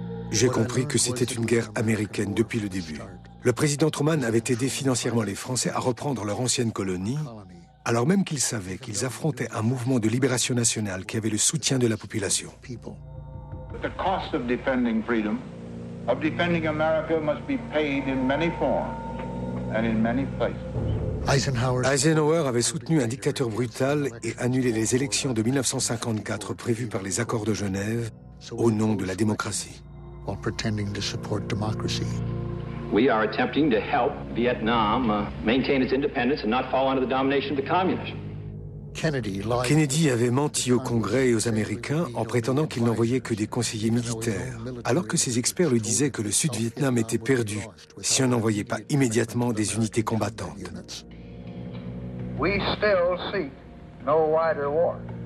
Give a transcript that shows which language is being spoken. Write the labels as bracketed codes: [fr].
[fr] J'ai compris que c'était une guerre américaine depuis le début. Le président Truman avait aidé financièrement les Français à reprendre leur ancienne colonie, alors même qu'ils savaient qu'ils affrontaient un mouvement de libération nationale qui avait le soutien de la population. [en] The cost of defending freedom, of defending America, must be paid in many forms and in many places. [fr] Eisenhower avait soutenu un dictateur brutal et annulé les élections de 1954 prévues par les accords de Genève au nom de la démocratie. [en] While pretending to support democracy. We are attempting to help Vietnam maintain its independence and not fall under the domination of the communists. [fr] Kennedy avait menti au Congrès et aux Américains en prétendant qu'il n'envoyait que des conseillers militaires, alors que ses experts lui disaient que le Sud-Vietnam était perdu si on n'envoyait pas immédiatement des unités combattantes. [en] We still seek no wider war.